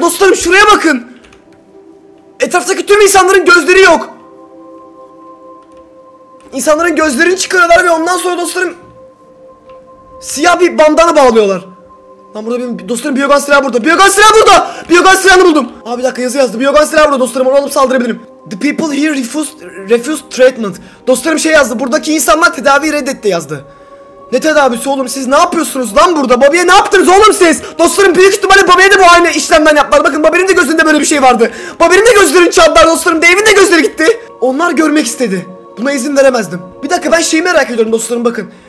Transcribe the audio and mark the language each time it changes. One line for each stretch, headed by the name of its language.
Turkish: Dostlarım şuraya bakın. Etraftaki tüm insanların gözleri yok. İnsanların gözlerini çıkarıyorlar ve ondan sonra dostlarım siyah bir bandana bağlıyorlar. Lan burada benim dostlarım biyogan silahı burada. Biyogan silahı burada. Biyogan silahını buldum. Abi bir dakika, yazı yazdı. Biyogan silahı burada dostlarım, onu alıp saldırabilirim.
English: The people here refused treatment.
Turkish: Dostlarım şey yazdı. Buradaki insanlar tedaviyi reddetti yazdı. Ne tedavisi oğlum, siz ne yapıyorsunuz lan burada? Bobby'ye ne yaptınız oğlum siz? Dostlarım büyük ihtimalle Bobby'ye de bu aynı işlemden yaptılar. Bakın Bobby'nin de gözünde böyle bir şey vardı. Bobby'nin de gözlerini çaldılar dostlarım. Dave'in de gözleri gitti. Onlar görmek istedi. Buna izin veremezdim. Bir dakika, ben şeyi merak ediyorum dostlarım bakın.